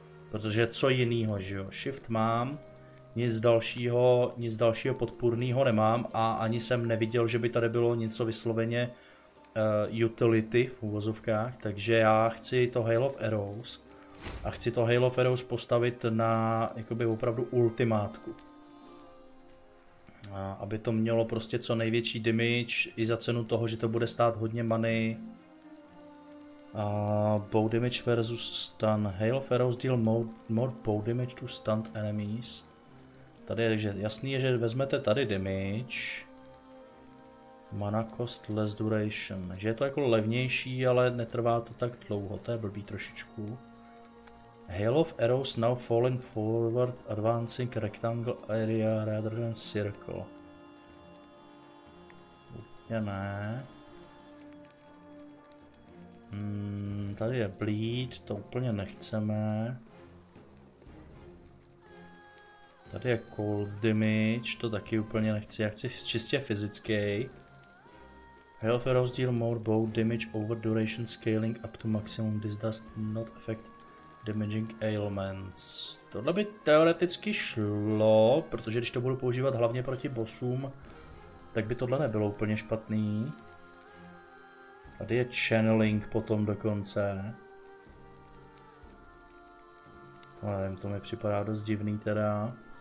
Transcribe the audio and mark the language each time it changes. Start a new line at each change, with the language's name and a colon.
Czech: Protože co jinýho, že jo? Shift mám, nic dalšího podpůrného nemám a ani jsem neviděl, že by tady bylo něco vysloveně utility v uvozovkách, takže já chci to Hail of Arrows a chci to Hail of Arrows postavit na jakoby opravdu ultimátku. A aby to mělo prostě co největší damage i za cenu toho, že to bude stát hodně many.
English: Bow damage versus stun. Hail of Arrows deal more bow damage to stunned enemies.
Czech: Tady takže jasný je, že vezmete tady damage.
English: Mana cost less duration.
Czech: Že je to jako levnější, ale netrvá to tak dlouho. To je blbý trošičku.
English: Hail of Arrows now falling forward, advancing rectangle area rather than circle.
Czech: Úplně ne. Tady je bleed, to úplně nechceme. Tady je cold damage, to taky úplně nechci. Já chci čistě fyzický.
English: Hail of Arrows deal more bow damage over duration scaling up to maximum. This does not affect damaging ailments.
Czech: Tohle by teoreticky šlo, protože když to budu používat hlavně proti bossům, tak by tohle nebylo úplně špatný. Tady je channeling potom dokonce. To nevím, to mi připadá dost divný teda.